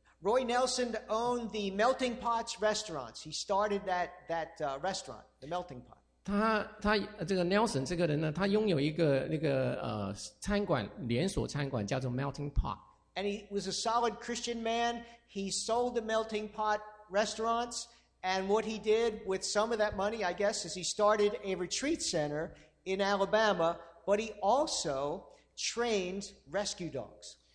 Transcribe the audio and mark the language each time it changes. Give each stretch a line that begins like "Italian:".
English: Roy Nelson owned the Melting Pots restaurants. He started that restaurant, the Melting Pot.
Chinese: 他这个 Nelson 这个人呢，他拥有一个那个餐馆连锁餐馆叫做 Melting Pot.
English: And he was a solid Christian man. He sold the Melting Pot restaurants. And what he did with some of that money, I guess, is he started a retreat center in Alabama, but he also trained rescue dogs.